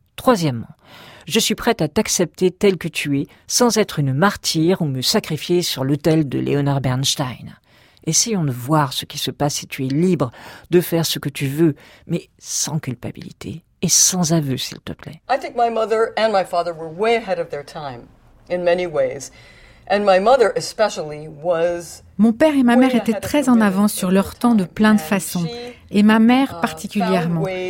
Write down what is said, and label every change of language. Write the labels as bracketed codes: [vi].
[fr] Troisièmement, je suis prête à t'accepter tel que tu es, sans être une martyre ou me sacrifier sur l'autel de Leonard Bernstein. Essayons de voir ce qui se passe si tu es libre de faire ce que tu veux, mais sans culpabilité et sans aveu, s'il te plaît. [en] I think my mother and my father were way ahead of their time in many ways. And my mother especially was... [fr] Mon père et ma mère étaient très en avance sur leur temps de plein de façons, et ma mère particulièrement.